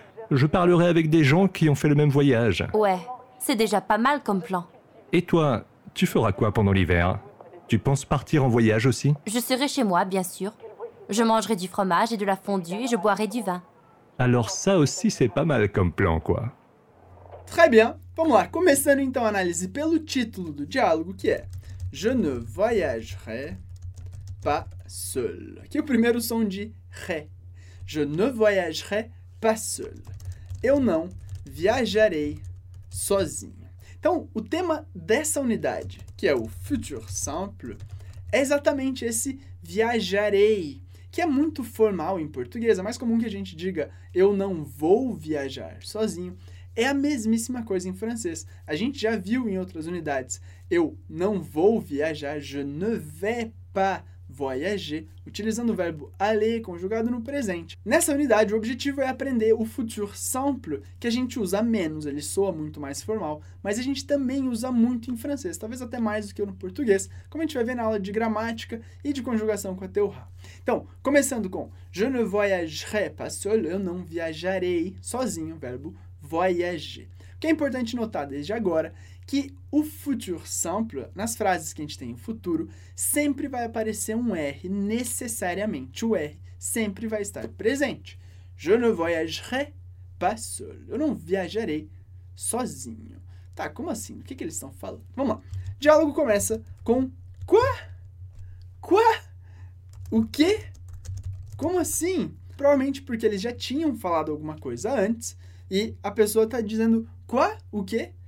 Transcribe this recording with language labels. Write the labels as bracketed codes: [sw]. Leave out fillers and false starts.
[fr] Je parlerai avec des gens qui ont fait le même voyage. Ouais, c'est déjà pas mal comme plan. Et toi, tu feras quoi pendant l'hiver? Tu penses partir en voyage aussi? Je serai chez moi, bien sûr. Je mangerai du fromage et de la fondue et je boirai du vin. Alors ça aussi c'est pas mal comme plan, quoi. Très bien, [pt] vamos lá. Começando então a análise pelo título do diálogo, que é [fr] Je ne voyagerai pas seul. [pt] Aqui é o primeiro som de ré. [fr] Je ne voyagerai pas seul. [pt] Eu não viajarei sozinho. Então, o tema dessa unidade, que é o futur simple, é exatamente esse viajarei, que é muito formal em português. É mais comum que a gente diga eu não vou viajar sozinho. É a mesmíssima coisa em francês. A gente já viu em outras unidades. Eu não vou viajar, [fr] je ne vais pas voyager, [pt] utilizando o verbo aller conjugado no presente. Nessa unidade, o objetivo é aprender o futur simple, que a gente usa menos, ele soa muito mais formal, mas a gente também usa muito em francês, talvez até mais do que no português, como a gente vai ver na aula de gramática e de conjugação com a Théorra. Então, começando com [fr] je ne voyagerai pas seul, [pt] eu não viajarei sozinho, verbo voyager. O que é importante notar desde agora, que o futur simple, nas frases que a gente tem em futuro, sempre vai aparecer um R, necessariamente. O R sempre vai estar presente. [fr] Je ne voyagerai pas seul. [pt] Eu não viajarei sozinho. Tá, como assim? O que eles estão falando? Vamos lá. O diálogo começa com quoi? Quoi? O quê? Como assim? Provavelmente porque eles já tinham falado alguma coisa antes e a pessoa está dizendo quoi? O quê?